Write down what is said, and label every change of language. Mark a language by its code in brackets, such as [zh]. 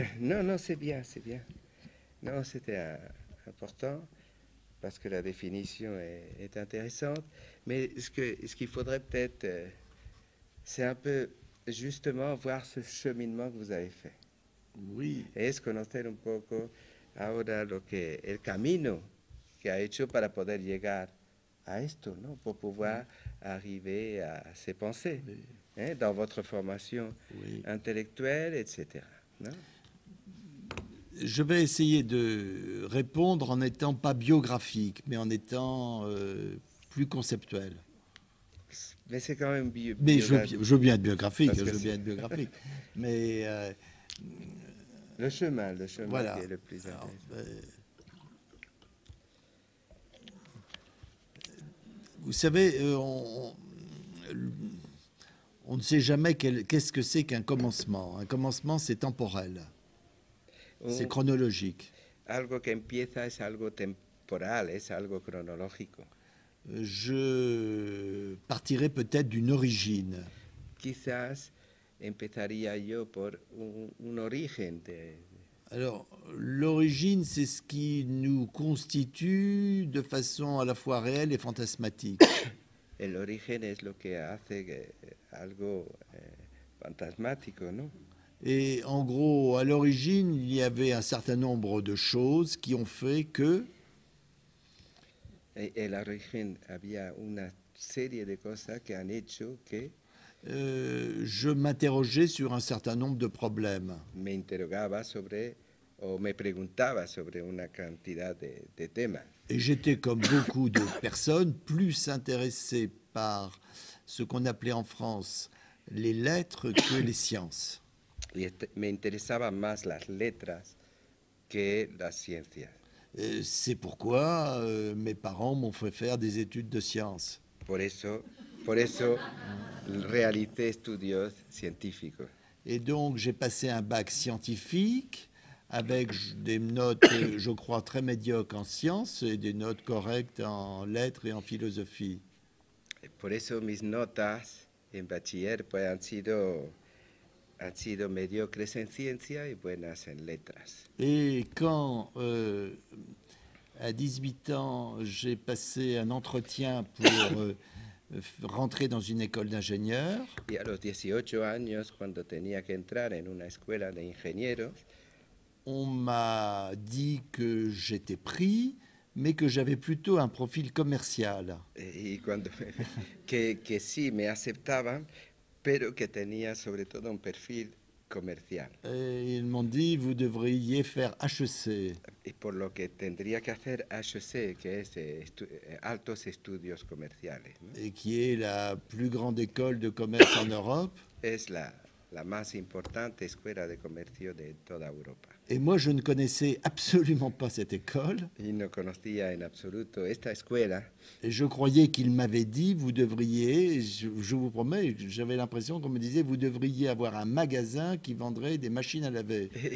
[fr] Non, non, c'est bien, c'est bien. Non, c'était important parce que la définition est intéressante. Mais ce qu'il faudrait peut-être, c'est un peu justement voir ce cheminement que vous avez fait. Oui. [es] Es conocer un poco ahora lo que el camino que ha hecho para poder llegar a esto, ¿no? Por poder [fr] arriver a ses pensées, hein, dans votre formation intellectuelle, etc. [es] ¿No? [fr] Je vais essayer de répondre en étant pas biographique, mais en étant plus conceptuel. Mais c'est quand même biographique. Mais je veux bien être biographique. Je veux bien être biographique. Mais le chemin voilà, qui est le plus intéressant. Alors, vous savez, on ne sait jamais qu'est-ce que c'est qu'un commencement. Un commencement, c'est temporel. C'est chronologique. [es] Algo que empieza es algo temporal, es algo cronológico. [fr] Je partirai peut-être d'une origine. [es] Quizás empezaría yo por un origen de. [fr] Alors, l'origine, c'est ce qui nous constitue de façon à la fois réelle et fantasmatique. [es] El origen es lo que hace algo fantasmático, ¿no? [fr] Et en gros, à l'origine, il y avait un certain nombre de choses qui ont fait que. [es] El origen había una serie de cosas que han hecho que. [fr] Je m'interrogeais sur un certain nombre de problèmes. [es] Me interrogaba sobre. O me preguntaba sobre una cantidad de temas. [fr] Et j'étais comme beaucoup de personnes plus intéressé par ce qu'on appelait en France les lettres que les sciences. [es] Me interesaba más las letras que las ciencias. [fr] C'est pourquoi mes parents m'ont fait faire des études de sciences. [es] Por eso realicé estudios científicos. [fr] Et donc j'ai passé un bac scientifique avec des notes, je crois, très médiocres en sciences et des notes correctes en lettres et en philosophie. [es] Por eso mis notas en bachiller pues han sido mediocres en ciencia y buenas en letras. [fr] Et quand, à 18 ans, j'ai passé un entretien pour rentrer dans une école d'ingénieurs. [es] Y a los 18 años, cuando tenía que entrar en una escuela de ingenieros. [fr] On m'a dit que j'étais pris, mais que j'avais plutôt un profil commercial. [es] Y cuando que sí me aceptaban, pero que tenía sobre todo un perfil comercial. [fr] Et ils m'ont dit vous devriez faire HEC. [es] Y por lo que tendría que hacer HEC, que es altos estudios comerciales. ¿No? [fr] Et qui est la plus grande école de commerce en Europe. [es] Es la más importante escuela de comercio de toda Europa. [fr] Et moi, je ne connaissais absolument pas cette école. Il ne [es] conocía en absoluto esta escuela. [fr] Et je croyais qu'il m'avait dit, vous devriez, je vous promets, j'avais l'impression qu'on me disait, vous devriez avoir un magasin qui vendrait des machines à laver.